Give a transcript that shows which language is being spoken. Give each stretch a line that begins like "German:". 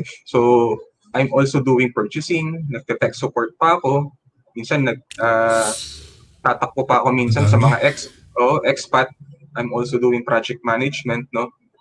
English: So I'm also doing purchasing,
Filipino: nagte-tech support pa ako. Minsan tatakbo pa ako minsan sa mga expat.
English: I'm also doing project management, no?